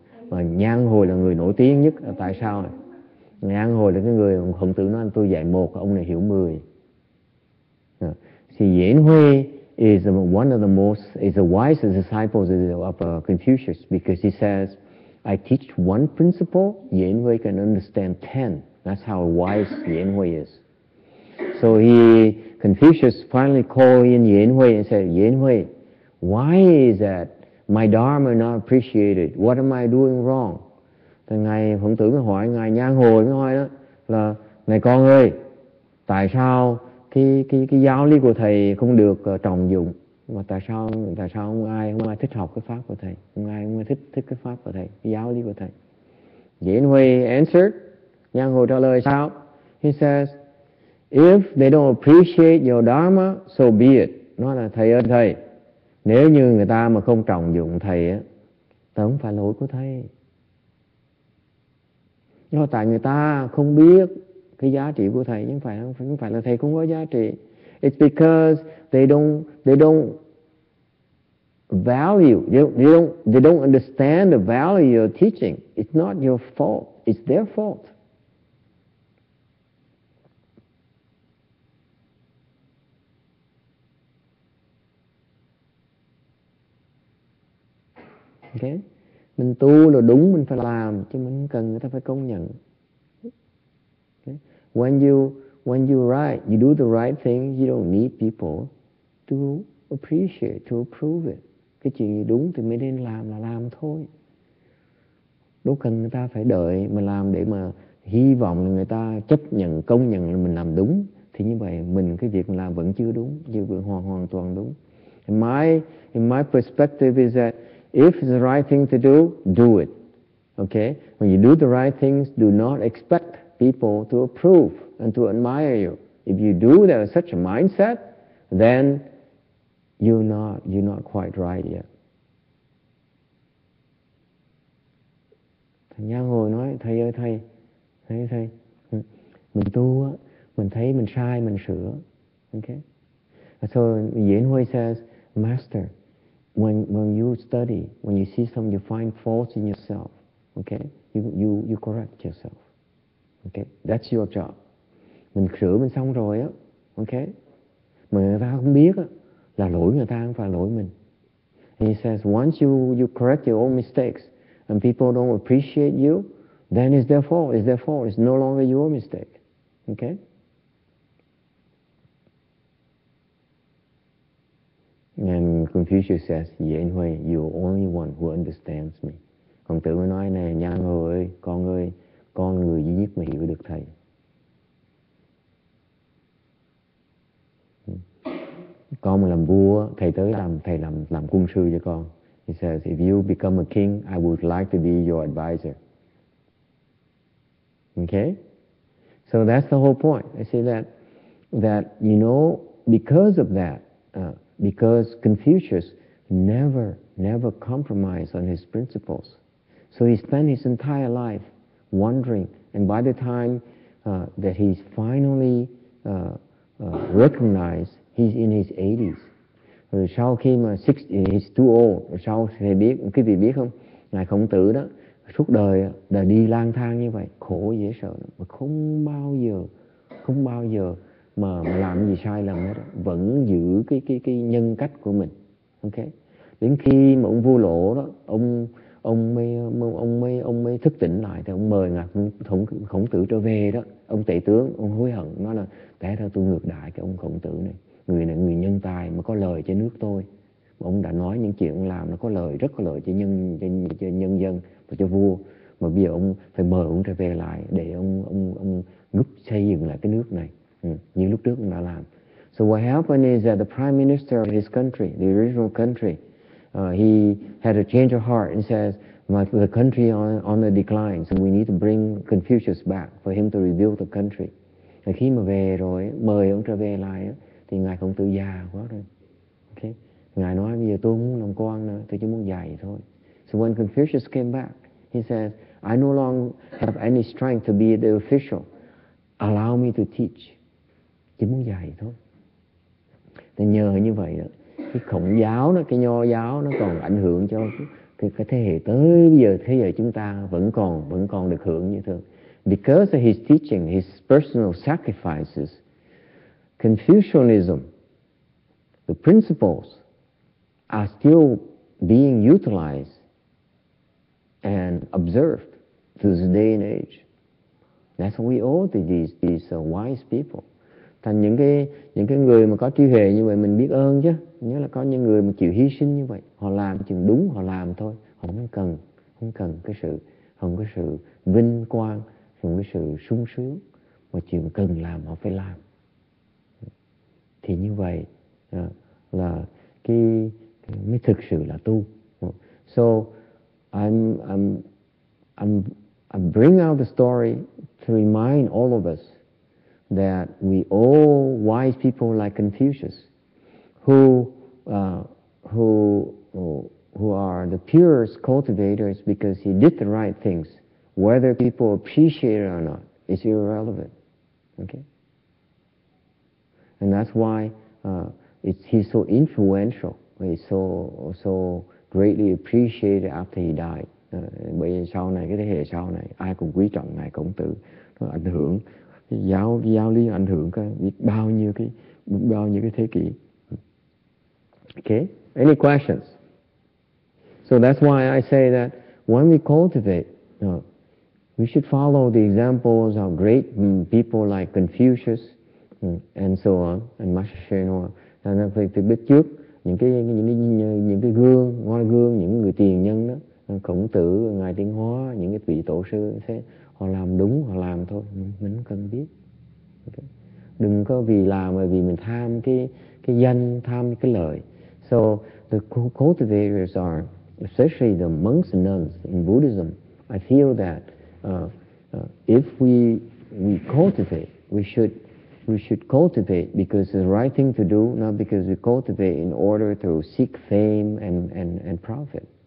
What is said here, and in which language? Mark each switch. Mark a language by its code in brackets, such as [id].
[vi] Mà Nhan Hồi là người nổi tiếng nhất. Tại sao? Nhan Hồi là cái người Khổng Tử nói tôi dạy một, ông này hiểu mười. [en] Thì Diễn Huệ is one of the most, is the wisest disciples of Confucius, because he says, I teach one principle, Diễn Huệ can understand 10. That's how wise Diễn Huệ is. So Confucius finally called in Diễn Huệ and said, Diễn Huệ, why is that my dharma not appreciated? What am I doing wrong? [vi] Thì ngài Khổng Tử mới hỏi ngài Nhan Hồi, mới hỏi đó là ngài con ơi, tại sao cái giáo lý của thầy không được trọng dụng, mà tại sao không ai thích học cái pháp của thầy, không ai thích cái pháp của thầy, cái giáo lý của thầy? [en] Diễn Huy answered, [vi] Nhan Hồi trả lời sao? [en] He says, if they don't appreciate your dharma, so be it. [vi] Nó là thầy ơi thầy, nếu như người ta mà không trọng dụng thầy á, thì không phải lỗi của thầy. Do tại người ta không biết cái giá trị của thầy, nhưng phải không phải là thầy không có giá trị. [en] It's because they don't understand the value of teaching. It's not your fault. It's their fault. Okay? [vi] Mình tu là đúng, mình phải làm, chứ mình không cần người ta phải công nhận. [en] Okay? When you write, you do the right thing, you don't need people to appreciate, to approve it. [vi] Cái chuyện gì đúng thì mình nên làm là làm thôi. Đâu cần người ta phải đợi mình làm để mà hy vọng là người ta chấp nhận, công nhận là mình làm đúng. Thì như vậy mình cái việc mình làm vẫn chưa đúng, chưa vẫn hoàn toàn đúng. [en] In my perspective is that if it's the right thing to do, do it. Okay? When you do the right things, do not expect people to approve and to admire you. If you do that with such a mindset, then you're not quite right yet. [vi] Thầy Nhan ngồi nói, thầy ơi, mình tu á, mình thấy mình sai, mình sửa. [en] Okay? So Yến Huy says, Master, when you study, when you see something, you find faults in yourself, okay? You correct yourself, okay? That's your job. [vi] Mình sửa mình xong rồi á, okay? Mà người ta không biết á, là lỗi người ta không phải lỗi mình. [en] And he says, once you correct your own mistakes, and people don't appreciate you, then it's their fault, it's no longer your mistake, okay? And Confucius says, Yến Huy, you're the only one who understands me. [vi] Còn Tử mới nói này, Nhan ơi, con người duy nhất mà hiểu được thầy. Con mà làm vua, thầy tới làm quân sư cho con. [en] He says, if you become a king, I would like to be your advisor. Okay? So that's the whole point. I say that, you know, because of that, because Confucius never compromised on his principles. So he spent his entire life wondering, and by the time that he's finally recognized, he's in his 80s. [vi] Sau khi mà 60, [en] he's too old. [vi] Sau thầy biết, quý vị biết không? Ngài Khổng Tử đó, suốt đời đã đi lang thang như vậy, khổ dễ sợ. Mà không bao giờ mà làm gì sai lầm hết, vẫn giữ cái nhân cách của mình, ok. Đến khi mà ông vua Lỗ đó, ông mới thức tỉnh lại, thì ông mời ngài Khổng Tử trở về đó. Ông tể tướng, ông hối hận, nói là té ra tôi ngược đãi cái ông Khổng Tử này, người nhân tài mà có lời cho nước tôi, mà ông đã nói những chuyện ông làm nó có lời, rất có lời cho nhân dân và cho vua, mà bây giờ ông phải mời ông trở về lại để ông giúp xây dựng lại cái nước này. Như lúc trước ông đã làm. [en] So what happened is that the prime minister of his country, the original country, he had a change of heart and says, the country on the decline, so we need to bring Confucius back for him to rebuild the country. [vi] Và khi mà về rồi, mời ông trở về lại, thì ngài Khổng Tử già quá rồi. Okay? Ngài nói, bây giờ tôi không muốn làm quan nữa, tôi chỉ muốn dạy thôi. [en] So when Confucius came back, he said, I no longer have any strength to be the official. Allow me to teach. [vi] Chỉ muốn dạy thôi. Thì nhờ như vậy đó, cái Khổng giáo nó, cái Nho giáo nó còn ảnh hưởng cho cái thế hệ tới bây giờ, thế giờ chúng ta vẫn còn được hưởng như thường. [en] Because of his teaching, his personal sacrifices, Confucianism, the principles are still being utilized and observed to this day and age. That's what we owe to these wise people. [vi] Thành những cái người mà có trí huệ như vậy mình biết ơn chứ. Nhớ là có những người mà chịu hy sinh như vậy, họ làm chừng đúng họ làm thôi, họ không cần cái sự, không có sự vinh quang, không có sự sung sướng, mà chừng cần làm họ phải làm. Thì như vậy là cái mới thực sự là tu. [en] So I bring out the story to remind all of us that we owe wise people like Confucius, who are the purest cultivators, because he did the right things. Whether people appreciate it or not is irrelevant. Okay, and that's why he's so influential. He's so greatly appreciated after he died. [vi] Bởi vì sau này cái thế hệ sau này ai cũng quý trọng ngài Khổng Tử, nó ảnh hưởng. Giáo lý ảnh hưởng bao nhiêu cái thế kỷ. Okay, [en] any questions? So that's why I say that when we cultivate, we should follow the examples of great people like Confucius and so on, and Master Shen Hoa. [vi] Thành ra phải từ biết trước những cái gương, ngoài gương, những người tiền nhân đó, Khổng Tử, Ngài Tiến Hóa, những cái vị tổ sư, thế họ làm đúng, họ làm thôi, mình cần biết. Okay. Đừng có vì làm mà vì mình tham cái danh, tham cái lợi. [en] So the cultivators are, especially the monks and nuns in Buddhism, I feel that if we cultivate, we should cultivate because it's the right thing to do, not because we cultivate in order to seek fame and profit.